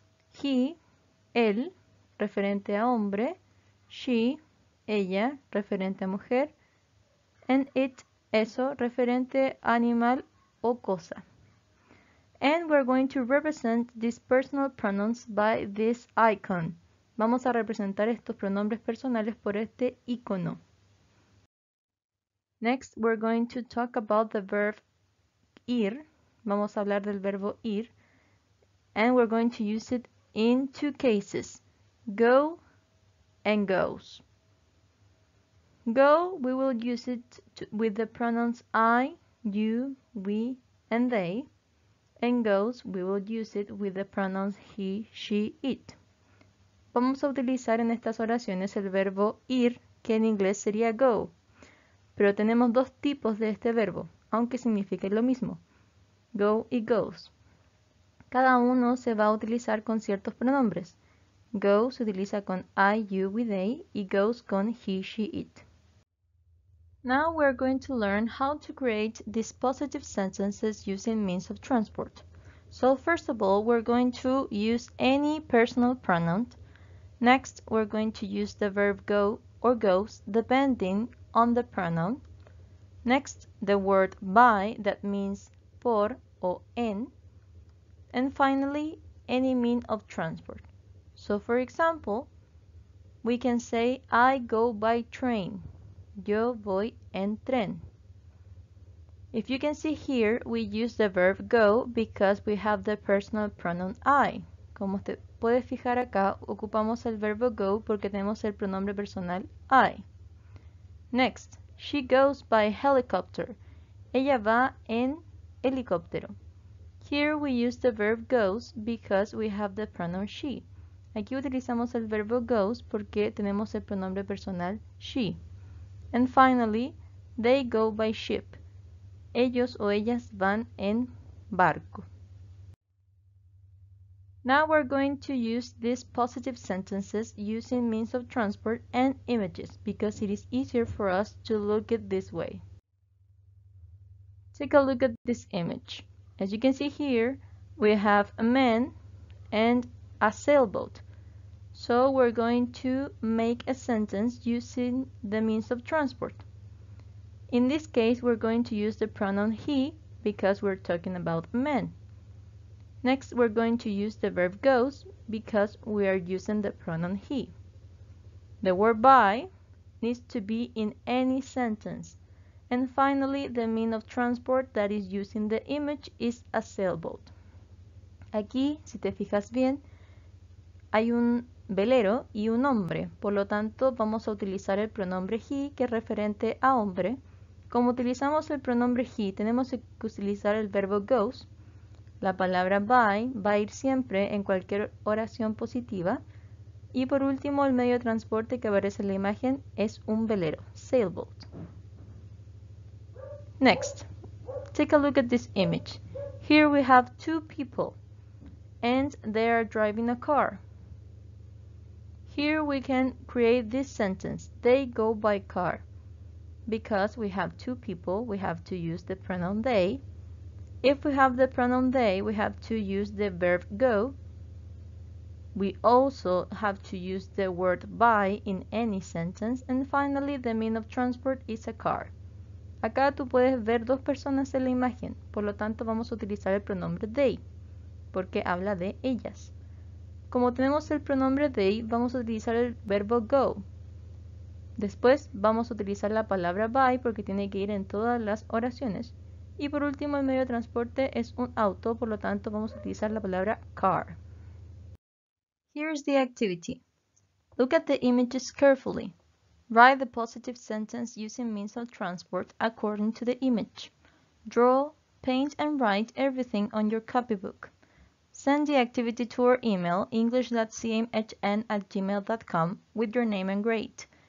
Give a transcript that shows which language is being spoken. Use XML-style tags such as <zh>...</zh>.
<es>He, él, referente a hombre, she, ella, referente a mujer, and it, eso, referente a animal o cosa.</es> <en>And we're going to represent these personal pronouns by this icon.</en> <es>Vamos a representar estos pronombres personales por este icono.</es> <en>Next, we're going to talk about the verb ir.</en> <es>Vamos a hablar del verbo ir.</es> <en>And we're going to use it in two cases: go and goes. Go, we will use it with the pronouns I, you, we, and they. And goes, we will use it with the pronouns he, she, it.</en> <es>Vamos a utilizar en estas oraciones el verbo ir, que en inglés sería go. Pero tenemos dos tipos de este verbo, aunque signifique lo mismo: go y goes. Cada uno se va a utilizar con ciertos pronombres. Go se utiliza con I, you, we, they, y goes con he, she, it.</es> <en>Now we're going to learn how to create these positive sentences using means of transport. So first of all, we're going to use any personal pronoun. Next, we're going to use the verb go or goes, depending on the pronoun. Next, the word by, that means por or en. And finally, any means of transport. So, for example, we can say, I go by train.</en> <es>Yo voy en tren.</es> <en>If you can see here, we use the verb go because we have the personal pronoun I.</en> <es>Como te puedes fijar acá, ocupamos el verbo go porque tenemos el pronombre personal I.</es> <en>Next, she goes by helicopter.</en> <es>Ella va en helicóptero.</es> <en>Here we use the verb goes because we have the pronoun she.</en> <es>Aquí utilizamos el verbo goes porque tenemos el pronombre personal she.</es> <en>And finally, they go by ship.</en> <es>Ellos o ellas van en barco.</es> <en>Now we're going to use these positive sentences using means of transport and images because it is easier for us to look at this way. Take a look at this image. As you can see here, we have a man and a sailboat. So we're going to make a sentence using the means of transport. In this case, we're going to use the pronoun he because we're talking about men. Next, we're going to use the verb goes because we are using the pronoun he. The word by needs to be in any sentence. And finally, the means of transport that is used in the image is a sailboat.</en> <es>Aquí, si te fijas bien, hay un velero y un hombre, por lo tanto vamos a utilizar el pronombre he, que es referente a hombre. Como utilizamos el pronombre he, tenemos que utilizar el verbo goes. La palabra by va a ir siempre en cualquier oración positiva. Y por último, el medio de transporte que aparece en la imagen es un velero, sailboat.</es> <en>Next, take a look at this image. Here we have two people and they are driving a car. Here we can create this sentence. They go by car. Because we have two people, we have to use the pronoun they. If we have the pronoun they, we have to use the verb go. We also have to use the word by in any sentence. And finally, the mean of transport is a car.</en> <es>Acá tú puedes ver dos personas en la imagen. Por lo tanto, vamos a utilizar el pronombre they. Porque habla de ellas. Como tenemos el pronombre they, vamos a utilizar el verbo go. Después, vamos a utilizar la palabra by porque tiene que ir en todas las oraciones. Y por último, el medio de transporte es un auto, por lo tanto, vamos a utilizar la palabra car.</es> <en>Here's the activity. Look at the images carefully. Write the positive sentence using means of transport according to the image. Draw, paint, and write everything on your copybook. Send the activity to our email, english.cmhn@gmail.com, with your name and grade.</en>